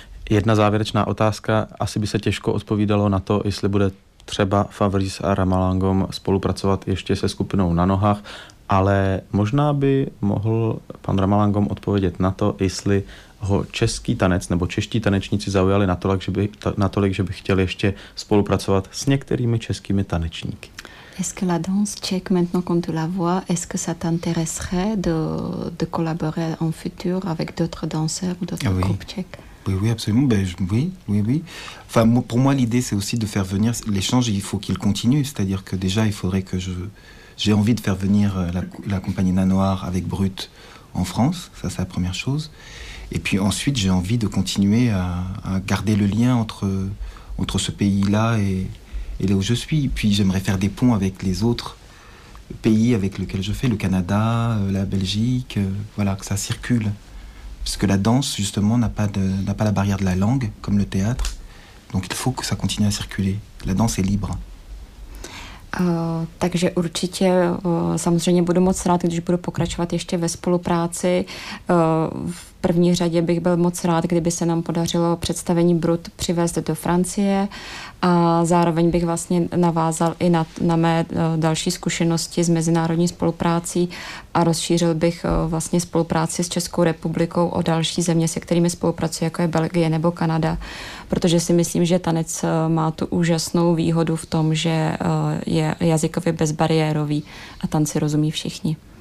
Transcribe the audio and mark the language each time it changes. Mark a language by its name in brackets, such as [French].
[Czech] Jedna závěrečná otázka. Asi by se těžko odpovídalo na to, jestli bude třeba Fabrice a Ramalangom spolupracovat ještě se skupinou Na nohách, ale možná by mohl pan Ramalangom odpovědět na to, jestli ho český tanec nebo čeští tanečníci zaujali natolik, že by chtěli ještě spolupracovat s některými českými tanečníky. [French] Est-ce que la danse tchèque maintenant quand tu la vois, est-ce que ça t'intéresserait de collaborer en futur avec d'autres danseurs ou d'autres groupes tchèques? Oui, absolument. Oui. Enfin, pour moi, l'idée, c'est aussi de faire venir l'échange. Il faut qu'il continue. C'est-à-dire que déjà, il faudrait que j'ai envie de faire venir la compagnie Nanoir avec Brut en France. Ça, c'est la première chose. Et puis ensuite, j'ai envie de continuer à garder le lien entre ce pays-là et là où je suis. Et puis j'aimerais faire des ponts avec les autres pays avec lesquels je fais, le Canada, la Belgique, voilà, que ça circule. Parce que la danse, justement, n'a pas la barrière de la langue, comme le théâtre. Donc il faut que ça continue à circuler. La danse est libre. [Czech] Takže určitě samozřejmě budu moc rád, když budu pokračovat ještě ve spolupráci. V první řadě bych byl moc rád, kdyby se nám podařilo představení Brut přivést do Francie a zároveň bych vlastně navázal i na mé další zkušenosti s mezinárodní spoluprácí a rozšířil bych vlastně spolupráci s Českou republikou o další země, se kterými spolupracuji, jako je Belgie nebo Kanada, protože si myslím, že tanec má tu úžasnou výhodu v tom, že je jazykově bezbariérový a tanci rozumí všichni.